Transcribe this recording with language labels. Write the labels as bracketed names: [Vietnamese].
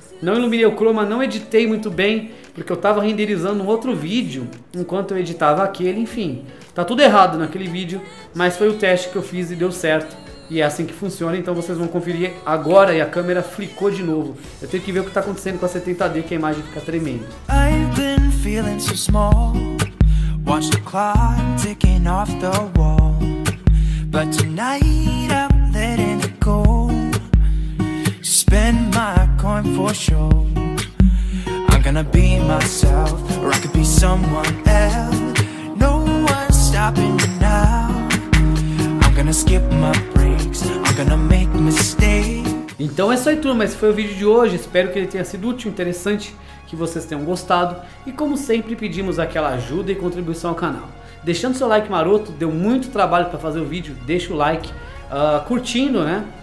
[Portuguese] Não iluminei o chroma, não editei muito bem, porque eu tava renderizando um outro vídeo enquanto eu editava aquele, enfim. Tá tudo errado naquele vídeo, mas foi o teste que eu fiz e deu certo. E é assim que funciona, então vocês vão conferir agora, e a câmera flicou de novo. Eu tenho que ver o que tá acontecendo com a 70D, que a imagem fica tremendo. [English] I've been feeling so small, watch the clock ticking off the wall. But tonight I'm letting it go, spend my coin for show. I'm gonna be myself, or I could be someone else. No one's stopping me now. I'm gonna skip my breaks, I'm gonna make mistakes. [Portuguese] Então é isso aí, turma, esse foi o vídeo de hoje. Espero que ele tenha sido útil, interessante, que vocês tenham gostado. E como sempre, pedimos aquela ajuda e contribuição ao canal, deixando seu like maroto. Deu muito trabalho para fazer o vídeo, deixa o like, curtindo, né?